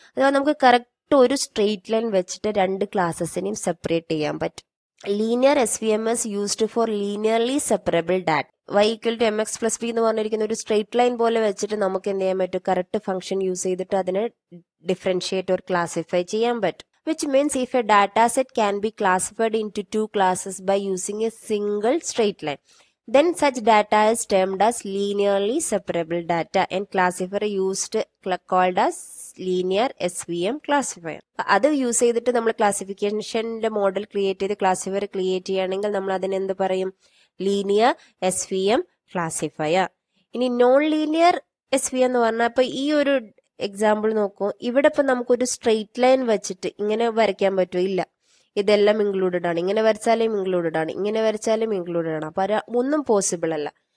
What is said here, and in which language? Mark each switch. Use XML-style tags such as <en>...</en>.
<ml>അതായത് നമുക്ക് കറക്റ്റ് ഒരു സ്ട്രെയിറ്റ് ലൈൻ വെച്ചിട്ട് രണ്ട് ക്ലാസസിനെയും സെപ്പറേറ്റ് ചെയ്യാൻ പറ്റും.</ml> <en>Linear S V M is used for linearly separable data.</en> <ml>Y equal to M X plus B എന്ന് പറഞ്ഞിരിക്കുന്ന ഒരു സ്ട്രെയിറ്റ് ലൈൻ പോലെ വെച്ചിട്ട് നമുക്ക് എന്ത് ചെയ്യാൻ പറ്റും, കറക്റ്റ് ഫംഗ്ഷൻ യൂസ് ചെയ്തിട്ട് അതിനെ ഡിഫറൻഷിയേറ്റ് ഓർ ക്ലാസിഫൈ ചെയ്യാൻ പറ്റും.</ml> <en>Which means if a data set can be classified into two classes by using a single straight line, then such data is termed as linearly separable data and classifier used called as linear SVM classifier.</en> <ml>അത് use ചെയ്തിട്ട് നമ്മൾ ക്ലാസിഫിക്കേഷന്റെ model create ചെയ്ത് classifier create ചെയ്യുകയാണെങ്കിൽ നമ്മൾ അതിന് എന്ത് പറയും, linear S V M classifier. ഇനി non linear S V M എന്ന് പറഞ്ഞാൽ, ഇപ്പൊ ഈ ഒരു എക്സാമ്പിൾ നോക്കും, ഇവിടെ ഇപ്പൊ നമുക്കൊരു സ്ട്രെയിറ്റ് ലൈൻ വെച്ചിട്ട് ഇങ്ങനെ വരയ്ക്കാൻ പറ്റില്ല, ഇതെല്ലാം ഇൻക്ലൂഡഡ് ആണ്, ഇങ്ങനെ വരച്ചാലും ഇൻക്ലൂഡഡ് ആണ്, ഇങ്ങനെ വരച്ചാലും ഇൻക്ലൂഡഡ് ആണ്, അപ്പൊ ഒന്നും പോസിബിൾ അല്ല.</ml>